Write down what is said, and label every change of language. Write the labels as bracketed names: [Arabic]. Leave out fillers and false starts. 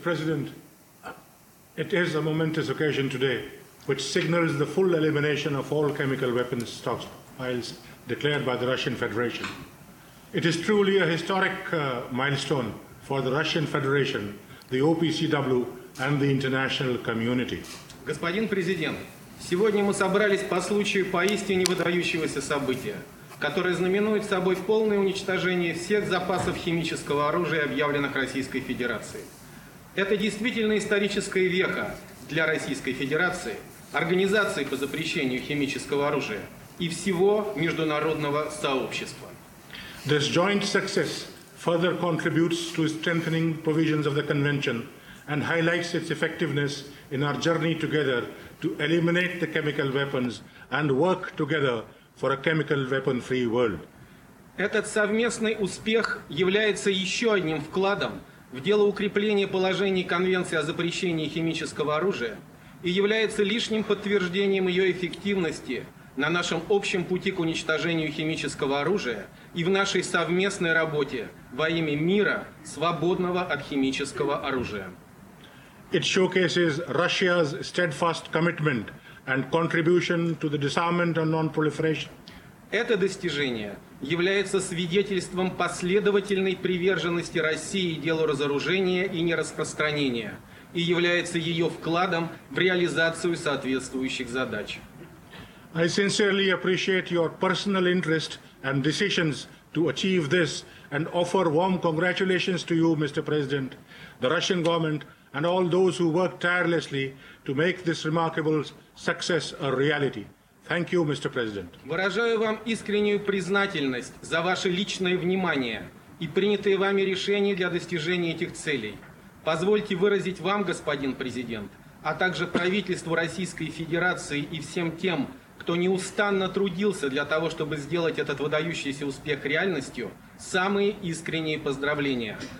[English] President, it is a momentous occasion today which signals the full elimination of all chemical weapons stockpiles declared by the Russian Federation. It is truly a historic milestone for the Russian Federation, the OPCW, and the international community. [Russian] Господин президент, сегодня мы собрались по случаю поистине выдающегося события, которое знаменует собой полное уничтожение всех запасов химического оружия, объявленных Российской Федерацией. Это действительно историческое веха для Российской Федерации, Организации по запрещению химического оружия и всего международного сообщества. [English] This joint success further contributes to strengthening provisions of the Convention and highlights its effectiveness in our journey together to eliminate the chemical weapons and work together for a chemical weapon-free world. [Russian] Этот совместный успех является еще одним вкладом в дело укрепления положений Конвенции о запрещении химического оружия и является лишним подтверждением ее эффективности на нашем общем пути к уничтожению химического оружия и в нашей совместной работе во имя мира, свободного от химического оружия. [English] It showcases Russia's steadfast commitment and contribution to the disarmament and non-proliferation. [Russian] Это достижение является свидетельством последовательной приверженности России делу разоружения и нераспространения и является ее вкладом в реализацию соответствующих задач. [English] I sincerely appreciate your personal interest and decisions to achieve this and offer warm congratulations to you, Mr. President, the Russian government, and all those who work tirelessly to make this remarkable success a reality. Thank you, Mr. President. [Russian] Выражаю вам искреннюю признательность за ваше личное внимание и принятые вами решения для достижения этих целей. Позвольте выразить вам, господин президент, а также правительству Российской Федерации и всем тем, кто неустанно трудился для того, чтобы сделать этот выдающийся успех реальностью, самые искренние поздравления.